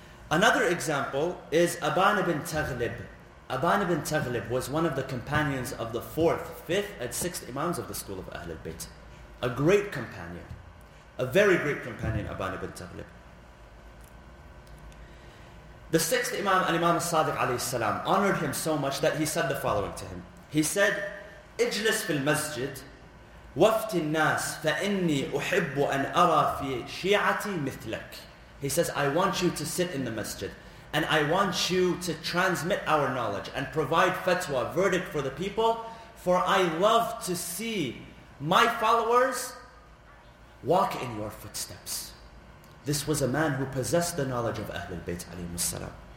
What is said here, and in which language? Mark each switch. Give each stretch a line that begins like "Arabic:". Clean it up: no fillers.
English: Another example is Aban ibn Taghlib. Aban ibn Taghlib was one of the companions of the 4th, 5th, and 6th Imams of the school of Ahlul Bayt. A great companion. A very great companion, Aban ibn Taghlib. The 6th Imam, al-Imam al-Sadiq alayhi salam, honored him so much that he said the following to him. He said,
Arabic: اجلس في المسجد وفتي الناس فإني أحب أن أرى في شيعتي مثلك.
English: He says, I want you to sit in the masjid and I want you to transmit our knowledge and provide fatwa, verdict for the people, for I love to see my followers walk in your footsteps. This was a man who possessed the knowledge of Ahlul Bayt alayhimus salam.